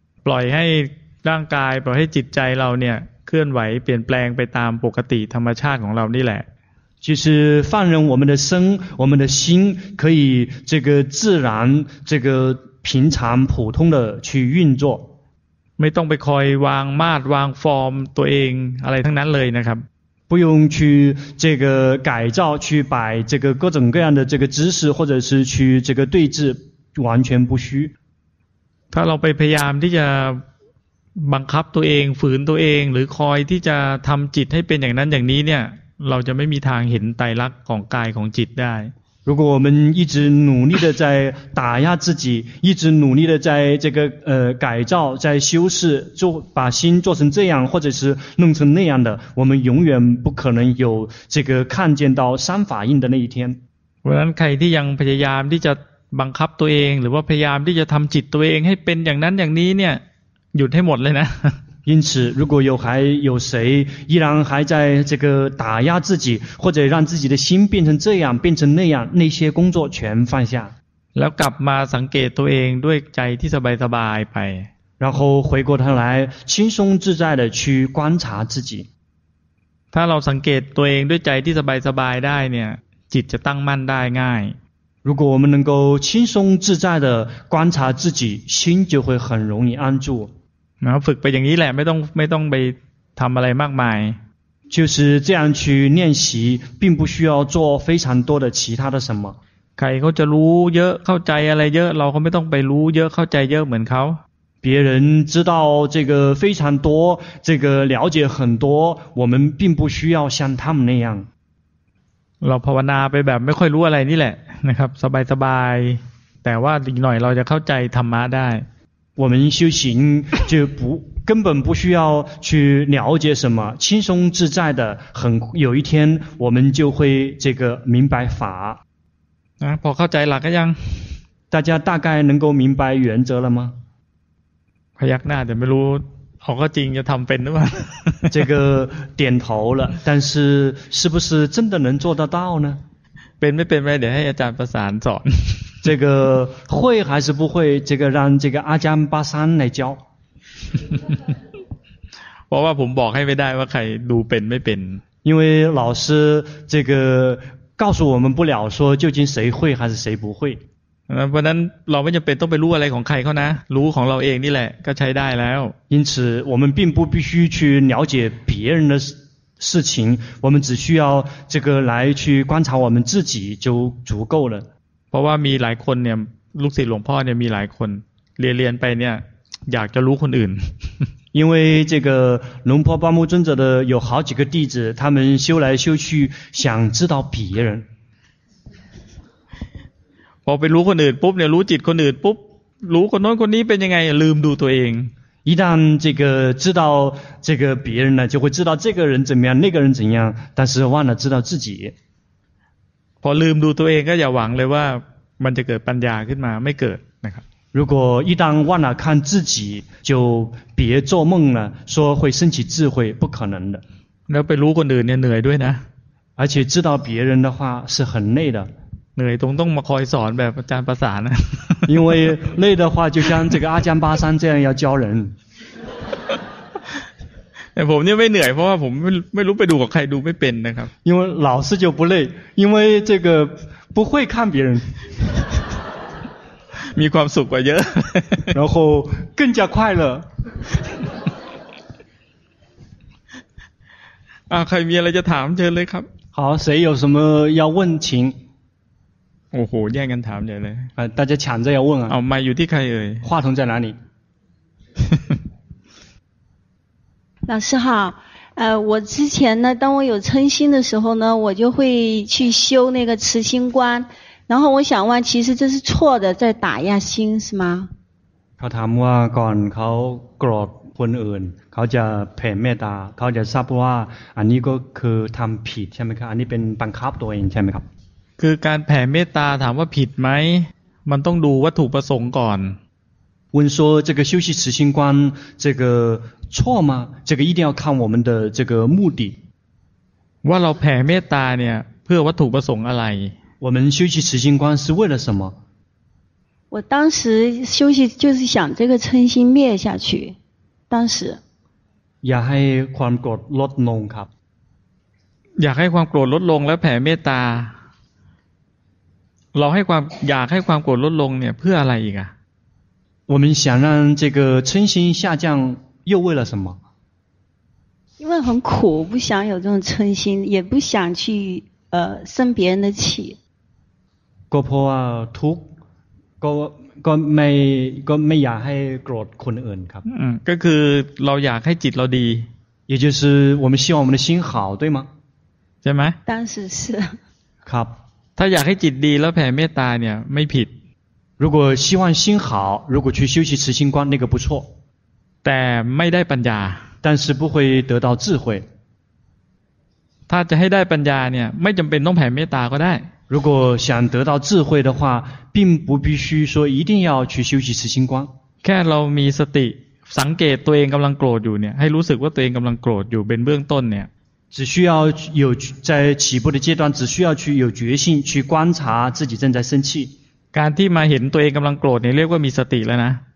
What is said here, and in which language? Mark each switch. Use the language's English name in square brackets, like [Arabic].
[Thai] ปล่อยให้ร่างกายปล่อยให้จิตใจเราเนี่ยเคลื่อนไหวเปลี่ยนแปลงไปตามปกติธรรมชาติของเรานี่แหละ [Chinese] 就是放任我们的身我们的心可以这个自然这个平常普通的去运作 [Thai] ไม่ต้องไปคอยวางมาตรวางฟอร์มตัวเองอะไรทั้งนั้นเลยนะครับ [Chinese] 不用去这个改造去摆这个各种各样的这个姿势或者是去这个对峙完全不虚 [Thai] ถ้าเราไปพยายามที่จะบังคับตัวเองฝืนตัวเองหรือคอยที่จะทำจิตให้เป็นอย่างนั้นอย่างนี้เนี่ยเราจะไม่มีทางเห็นไตรลักษณ์ของกายของจิตได้ [Chinese] 如果我们一直努力的在打压自己，一直努力的在这个改造、在修饰，做把心做成这样，或者是弄成那样的，我们永远不可能有这个看见到三法印的那一天。 [Thai] เพราะฉะนั้นใครที่ยังพยายามที่จะบังคับตัวเองหรือว่าพยายามที่จะทำจิตตัวเองให้เป็นอย่างนั้นอย่างนี้เนี่ยหยุดให้หมดเลยนะ [Chinese] 因此如果还有谁依然还在这个打压自己或者让自己的心变成这样变成那样那些工作全放下 [Thai] แล้วกลับมาสังเกตตัวเองด้วยใจที่สบายสบายไป [Chinese] 然后回过头来轻松自在的去观察自己 [Thai] ถ้าเราสังเกตตัวเองด้วยใจที่สบายสบายได้เนี่ยจิตจะตั้งมั่นได้ง่าย [Chinese] 如果我们能够轻松自在的观察自己心就会很容易安住然后 [Thai] ฝึกไปอย่างนี้แหละไม่ต้องไปทำอะไรมากมาย [Chinese] 就是这样去练习并不需要做非常多的其他的什么 [Thai] ใครเขาจะรู้เยอะเข้าใจอะไรเยอะเราก็ไม่ต้องไปรู้เยอะเข้าใจเยอะเหมือนเขา [Chinese] 别人知道这个非常多这个了解很多我们并不需要像他们那样 [Thai] เราภาวนาไปแบบไม่ค่อยรู้อะไรนี่แหละนะครับสบายสบายแต่ว่าอีกหน่อยเราจะเข้าใจธรรมะได้ [Chinese] 我们修行就不根本不需要去了解什么，轻松自在的，很有一天我们就会这个明白法。 [Thai] 啊，พอเข้าใจหลักยัง？ [Chinese] 大家大概能够明白原则了吗？ [Thai] พยักหน้าแต่ไม่รู้เขาก็จริงจะทำเป็นหรือเปล่า？ [Chinese] 这个点头了，但是是不是真的能做得到呢？ [Thai] เป็นไม่เป็นไม่เดี๋ยวให้อาจารย์ประสานสอน。 [Chinese] 这个会还是不会？这个让这个阿江巴山来教。我怕我们 [Thai] บอกให้ไม่ได้ว่าใครดูเป็นไม่เป็น。 [Chinese] 因为老师这个告诉我们不了说究竟谁会还是谁不会 [Thai] เพราะนั้นเราไม่จำเป็นต้องไปรู้อะไรของใครเขานะรู้ของเราเองนี่แหละก็ใช้ได้แล้ว [Chinese] 因此我们并不必须去了解别人的事情我们只需要这个来去观察我们自己就足够了 [Thai] เพราะว่ามีหลายคนเนี่ยลูกศิษย์หลวงพ่อเนี่ยมีหลายคนเรียนไปเนี่ยอยากจะรู้คนอื่น [Chinese] 因为这个龙婆巴木尊者的有好几个弟子他们修来修去想知道别人 [Thai] พอไปรู้คนอื่นปุ๊บเนี่ยรู้จิตคนอื่นปุ๊บรู้คนโน้นคนนี้เป็นยังไงลืมดูตัวเอง [Chinese] 一旦这个知道这个别人呢就会知道这个人怎么样那个人怎样但是忘了知道自己 [Thai] พอลืมดูตัวเองก็อย่าหวังเลยว่ามันจะเกิดปัญญาขึ้นมาไม่เกิดนะครับ [Chinese] 如果一旦忘了看自己就别做梦了说会升起智慧不可能的 [Thai] แล้วไปรู้คนอื่นเนี่ยเหนื่อยด้วยนะ [Chinese] 而且知道别人的话是很累的 [Thai] เหนื่อยต้องมาคอยสอนแบบอาจารย์ประสานนะ [Chinese] 因为累的话就像这个阿江巴山这样要教人 [Thai] แต่ผมเนี่ยไม่เหนื่อยเพราะว่าผมไม่รู้ไปดูกับใครดูไม่เป็นนะครับ [Chinese] 因为老师就不累因为这个不会看别人 [Thai] มีความสุขกว่าเยอะ [Chinese] 然后更加快乐 [Thai] ใครมีอะไรจะถามเชิญเลยครับ [Chinese] 好谁有什么要问请 [Thai] โอ้โหแย่งกันถามใหญ่เลย [Chinese] 大家抢着要问啊 [Thai] เอาไมค์อยู่ที่ใครเอ่ย [Chinese] 话筒在哪里老师好我之前呢当我有嗔心的时候呢我就会去修那个慈心观然后我想问其实这是错的在打压心是吗 [Thai] เขาถามว่าก่อนเขาโกรธคนอื่นเขาจะแผ่เมตตาเขาจะทราบว่าอันนี้ก็คือทำผิดใช่ไหมครับอันนี้เป็นบังคับตัวเองใช่ไหมครับ คือการแผ่เมตตาถามว่าผิดไหมมันต้องดูวัตถุประสงค์ก่อน [Chinese] 问说这个修习慈心观这个错吗这个一定要看我们的这个目的 [Thai] ว่าเราแผ่เมตตาเนี่ยเพื่อวัตถุประสงค์อะไร [Chinese] 我们修习慈心观是为了什么我当时修习就是想这个嗔心灭下去当时 [Thai] อยากให้ความโกรธลดลงครับ อยากให้ความโกรธลดลงแล้วแผ่เมตตาเราให้ความอยากให้ความโกรธลดลงเนี่ยเพื่ออะไรอีกอ่ะ [Chinese] 我们想让这个嗔心下降又为了什么因为很苦不想有这种嗔心也不想去生别人的气 [Thai] ก็เพราะว่าทุกข์ก็ไม่อยากให้โกรธคนอื่นครับ ก็คือเราอยากให้จิตเราดี [Chinese] 也就是我们希望我们的心好对吗 [Thai] ใช่ไหม [Chinese] 当时是 [Thai] ครับ ถ้าอยากให้จิตดีแล้วแผ่เมตตาเนี่ยไม่ผิด [Chinese] 如果希望心好如果去修习慈心观那个不错 [Thai] แต่ไม่ได้ปัญญา [Chinese] 但是不会得到智慧 [Thai] ถ้าจะให้ได้ปัญญาเนี่ยไม่จำเป็นต้องแผ่เมตตาก็ได้ [Chinese] 如果想得到智慧的话并不必须说一定要去修习慈心观 [Thai] แค่เรามีสติสังเกตตัวเองกำลังโกรธอยู่เนี่ยให้รู้สึกว่าตัวเองกำลังโกรธอยู่เป็นเบื้องต้นเนี่ย [Chinese] 只需要有在起步的阶段只需要去有决心去观察自己正在生气 [Thai] การที่มาเห็นตัวเองกำลังโกรธเนี่ยเรียกว่ามีสติแล้วนะ